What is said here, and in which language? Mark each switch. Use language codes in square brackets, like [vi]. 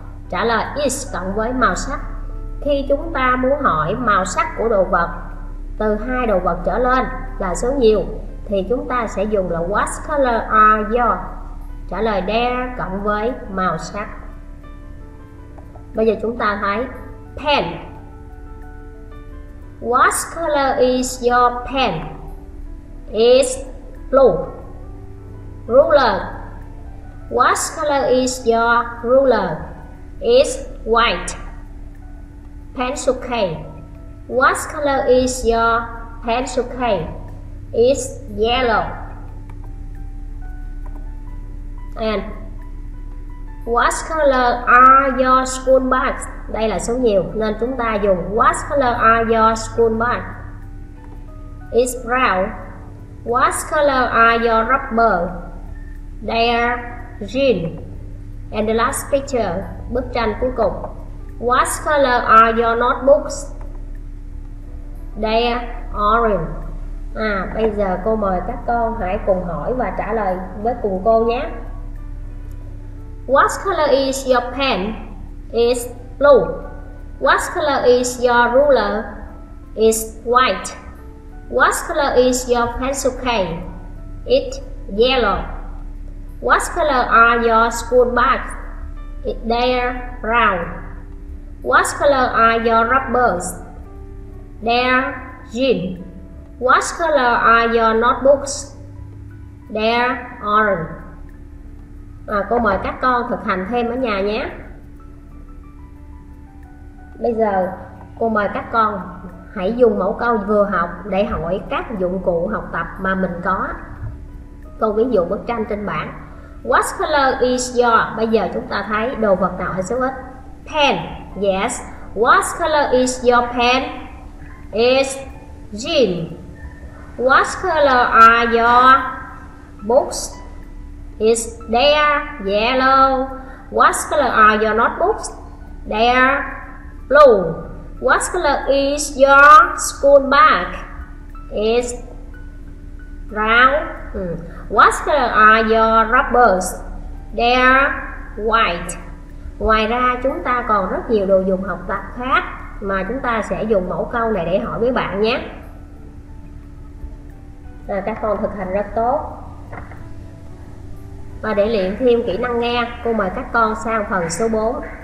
[vi] Trả lời is cộng với màu sắc. Khi chúng ta muốn hỏi màu sắc của đồ vật từ hai đồ vật trở lên là số nhiều thì chúng ta sẽ dùng là [en] What color are your? [vi] Trả lời there cộng với màu sắc. Bây giờ chúng ta thấy pen. [en] What color is your pen? It's blue. Ruler. What color is your ruler? It's white. Pencil case. What color is your pencil case? It's yellow. And what color are your school bags? [vi] Đây là số nhiều nên chúng ta dùng [en] what color are your school bags? It's brown. What color are your rubber? They're green. And the last picture, [vi] bức tranh cuối cùng. [en] What color are your notebooks? They're orange. [vi] À, bây giờ cô mời các con hãy cùng hỏi và trả lời với cùng cô nhé. [en] What color is your pen? It's blue. What color is your ruler? It's white. What color is your pencil case? It's yellow. What color are your school bags? They're brown. What color are your rubbers? They're green. What color are your notebooks? They're orange. [vi] À, cô mời các con thực hành thêm ở nhà nhé. Bây giờ cô mời các con hãy dùng mẫu câu vừa học để hỏi các dụng cụ học tập mà mình có. Câu ví dụ bức tranh trên bảng. [en] What color is your? [vi] Bây giờ chúng ta thấy đồ vật nào ở số ít. [en] Pen. Yes. What color is your pen? It's green. What color are your books? Is they are yellow. What color are your notebooks? They are blue. What color is your school bag? Is brown. What color are your rubbers? They are white. [vi] Ngoài ra chúng ta còn rất nhiều đồ dùng học tập khác mà chúng ta sẽ dùng mẫu câu này để hỏi với bạn nhé. À, các con thực hành rất tốt. Và để luyện thêm kỹ năng nghe, cô mời các con sang phần số 4.